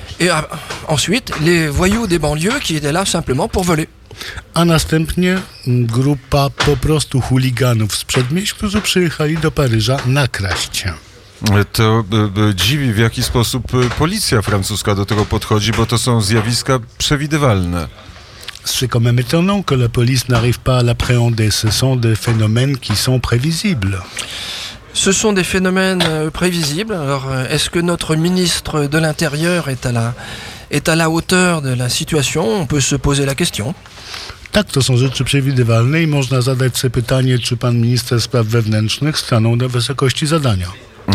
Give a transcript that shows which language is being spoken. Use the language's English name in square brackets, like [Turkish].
[French] Et ensuite les voyous des banlieues qui étaient là simplement pour voler. [Polish] A następnie grupa po prostu chuliganów z przedmieść, którzy przyjechali do Paryża nakraść się. To dziwi, w jaki sposób policja francuska do tego podchodzi, bo to są zjawiska przewidywalne. [French] C'est quand même étonnant que la police n'arrive pas à l'appréhender. Ce sont des phénomènes qui sont prévisibles. Ce sont des phénomènes prévisibles. Alors, est-ce que notre ministre de l'Intérieur est à la hauteur de la situation? On peut se poser la question. [Polish] Tak, to są rzeczy przewidywalne i można zadać sobie pytanie, czy pan minister spraw wewnętrznych stanął na wysokości zadania.